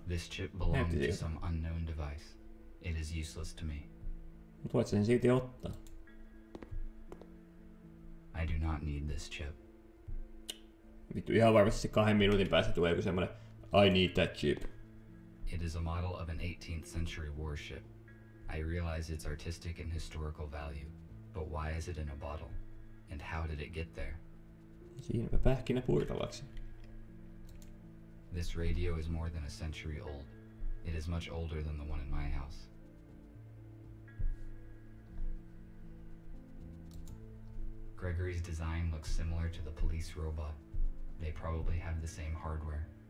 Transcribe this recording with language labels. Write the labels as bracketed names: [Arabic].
[English] This chip belongs to some unknown device. It is useless to me. [Finnish] Mut voit sen silti ottaa. [English] I do not need this chip. [Finnish] Vittu, ihan varmasti se 2 minuutin päästä tulee joku semmonen [English] I need that chip. It is a model of an 18th century warship. I realize its artistic and historical value, but why is it in a bottle? And how did it get there? [Finnish] Siinäpä pähkinä purtavaksi. [English] This radio is more than a century old. It is much older than the one in my house. Gregory's design looks similar to the police robot. They probably have the same hardware.